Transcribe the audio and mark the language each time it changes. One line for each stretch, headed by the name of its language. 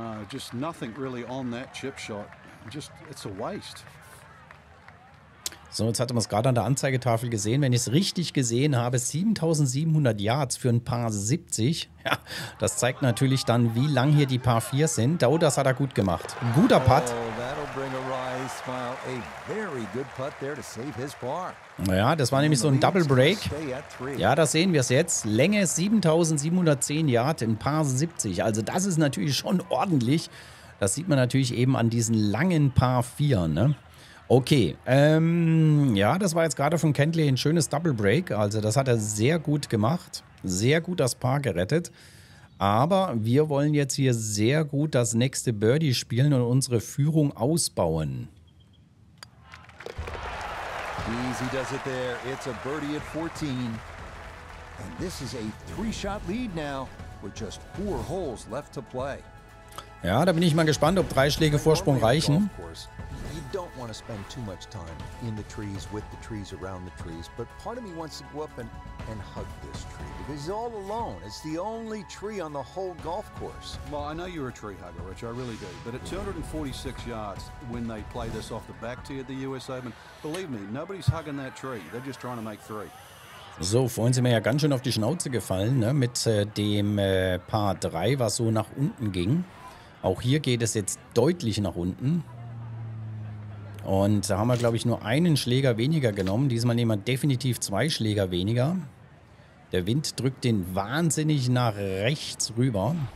English: Just nothing really on that chip shot. Just, it's a waste.
German: So, jetzt hatten wir es gerade an der Anzeigetafel gesehen. Wenn ich es richtig gesehen habe, 7700 Yards für ein Paar 70. Ja, das zeigt natürlich dann, wie lang hier die Paar 4 sind. Oh, das hat er gut gemacht. Guter Putt.
English: Oh, that'll bring a wry smile. A very good putt there to save his par.
German: Naja, das war nämlich so ein Double Break. Ja, da sehen wir es jetzt. Länge 7710 Yards, ein Paar 70. Also das ist natürlich schon ordentlich. Das sieht man natürlich eben an diesen langen Paar 4, ne? Okay, ja, das war jetzt gerade von Kentley ein schönes Double Break. Also das hat er sehr gut gemacht, sehr gut das Paar gerettet. Aber wir wollen jetzt hier sehr gut das nächste Birdie spielen und unsere Führung ausbauen.
English: Easy does it there. It's a birdie at 14. And this is a three-shot lead now with just four holes left to play.
German: Ja, da bin ich mal gespannt, ob drei Schläge Vorsprung reichen.
English: You don't want to spend too much time in the trees, with the trees, around the trees. But part of me wants to go up and hug this tree. Because it's all alone. It's the only tree on the whole golf course. Well, I know you're a tree hugger, Rich. I really do. But at 246 yards, when they play this off the back tee at the US Open, believe me, nobody's hugging that tree. They're just trying to make three.
German: So, vorhin sind wir ja ganz schön auf die Schnauze gefallen, ne? Mit dem Paar 3, was so nach unten ging. Auch hier geht es jetzt deutlich nach unten. Und da haben wir, glaube ich, nur einen Schläger weniger genommen. Diesmal nehmen wir definitiv zwei Schläger weniger. Der Wind drückt den wahnsinnig nach rechts rüber.